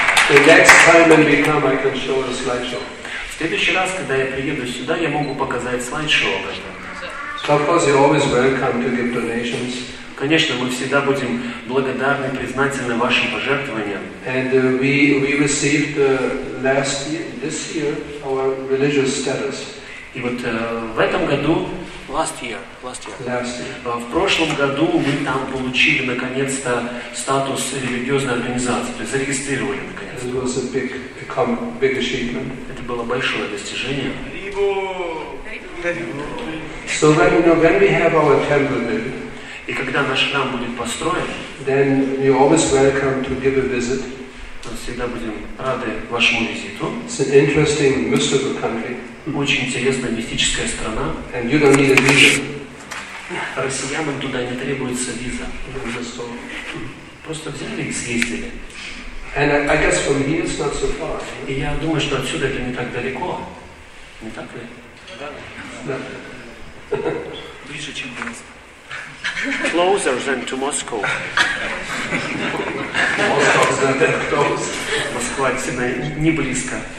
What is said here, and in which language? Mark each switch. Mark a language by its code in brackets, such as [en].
[en] The next time when we come, I can show a slideshow. [ru] В следующий раз, когда я приеду сюда, я могу показать слайд-шоу об этом. [en] So of course you're always welcome to give donations. [ru] Конечно, мы всегда будем благодарны, признательны вашим пожертвованиям. [en] And we received last year, this year, our religious status. [ru] И вот в этом году, [en] last year. [ru] В прошлом году мы там получили наконец-то статус религиозной организации, зарегистрировали наконец-то. [en] It was a big achievement. [ru] Это было большое достижение. [en] So when you know when we have our temple built, [ru] и когда наш храм будет построен, [en] then you're always welcome to give a visit. [ru] Мы всегда будем рады вашему визиту. [en] It's an interesting mystical country. [ru] Очень интересная мистическая страна. [en] And you don't need a visa. [ru] Россиянам туда не требуется виза. Просто взяли и съездили. And I guess from here it's not so far. И я думаю, что отсюда это не так далеко. Не так ли? Да. Ближе, чем до Москвы. [en] Closer than to Moscow. Moscow is not that close. [ru] Москва сильно не близко.